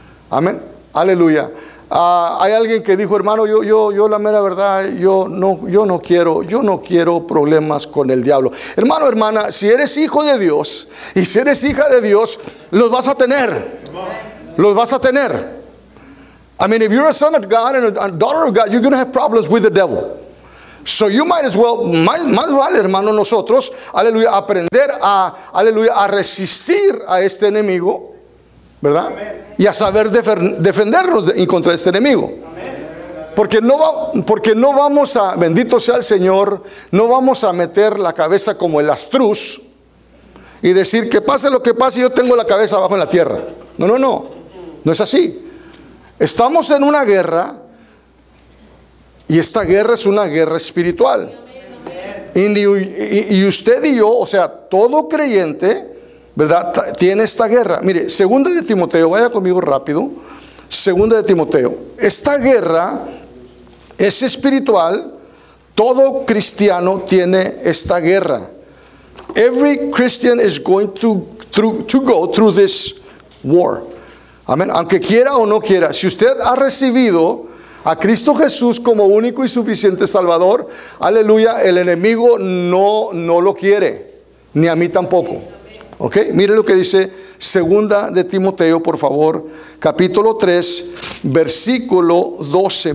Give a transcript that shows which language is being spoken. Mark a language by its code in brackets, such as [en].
[es] Amén, aleluya. Hay alguien que dijo, hermano, yo la mera verdad, yo no quiero problemas con el diablo. Hermano, hermana, si eres hijo de Dios y si eres hija de Dios, los vas a tener. Los vas a tener. [en] I mean, if you're a son of God and a daughter of God, you're going to have problems with the devil. So you might as well, [es] más vale, hermano, nosotros, aleluya, aprender a, aleluya, a resistir a este enemigo, ¿verdad? Y a saber defendernos en contra de este enemigo. Porque no vamos a, bendito sea el Señor, no vamos a meter la cabeza como el avestruz y decir que pase lo que pase, yo tengo la cabeza abajo en la tierra. No es así. Estamos en una guerra, y esta guerra es una guerra espiritual. Y usted y yo, o sea, todo creyente, ¿verdad?, tiene esta guerra. Mire, segunda de Timoteo, vaya conmigo rápido. Segunda de Timoteo. Esta guerra es espiritual. Todo cristiano tiene esta guerra. [en] Every Christian is going to go through this war. [es] Amén. Aunque quiera o no quiera. Si usted ha recibido a Cristo Jesús como único y suficiente Salvador, aleluya, el enemigo no lo quiere. Ni a mí tampoco. Ok, mire lo que dice segunda de Timoteo, por favor, capítulo 3, versículo 12.